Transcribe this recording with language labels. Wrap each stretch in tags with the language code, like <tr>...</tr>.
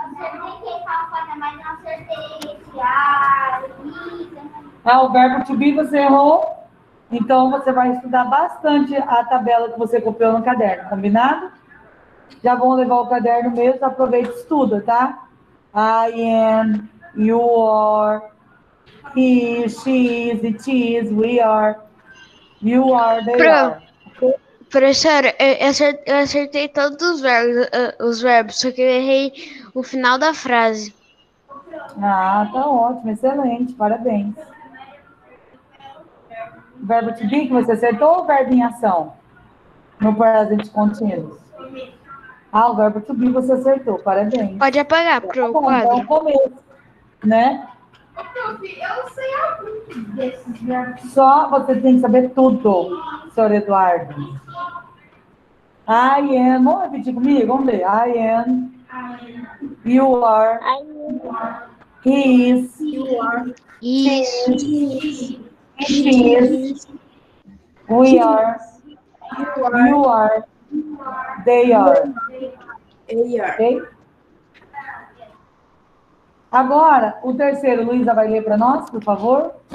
<pt>Não acertei quem fala, mas não acertei a Luísa. Ah, o verbo to be você errou. Então você vai estudar bastante a tabela que você copiou no caderno, combinado? Já vão levar o caderno mesmo, aproveita e estuda, tá?</pt> <en>I am, you are, he, she is, it is, we are, you are, they are.</en> <pt>Professora, eu acertei todos os verbos, só que eu errei o final da frase. Ah, tá ótimo, excelente, parabéns. Verbo to be que você acertou ou verbo em ação? No present continuous. Ah, o verbo to be você acertou, parabéns. Pode apagar, pro tá bom, quadro. Bom começo, né? Eu sei alguns desses verbos. Só você tem que saber tudo, senhor Eduardo.</pt> <en>I am,</en> <pt>vamos repetir comigo, vamos ver.</pt> <en>I am, you are, he is, she is, we are, you are, they are. Okay?</en> <pt>Agora, o terceiro, Luísa vai ler para nós, por favor.</pt>